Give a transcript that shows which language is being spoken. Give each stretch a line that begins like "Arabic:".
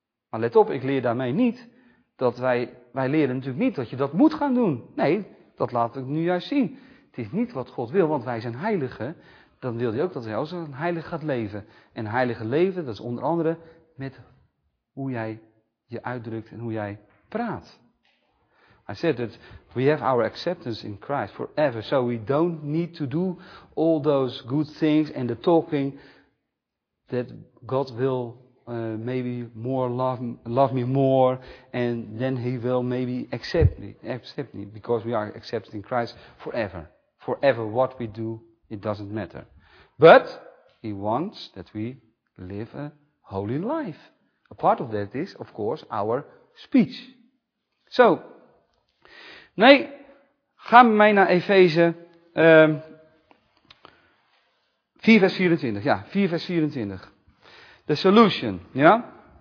Dutch: Maar let op, ik leer daarmee niet dat wij leren natuurlijk niet dat je dat moet gaan doen. Nee, dat laat ik nu juist zien. Het is niet wat God wil, want wij zijn heiligen. Dan wil hij ook dat hij als een heilig gaat leven. En heilige leven, dat is onder andere met hoe jij je uitdrukt en hoe jij praat.
English: I said that we have our acceptance in Christ forever. So we don't need to do all those good things and the talking that God will maybe more love me more. And then he will maybe accept me because we are accepted in Christ forever. Forever what we do, it doesn't matter. But he wants that we live a holy life. A part of that is, of course, our speech.
Dutch: So, nee, ga met mij naar Efeze 4 vers 24. Ja, 4 vers 24.
English: The solution,
Dutch: ja.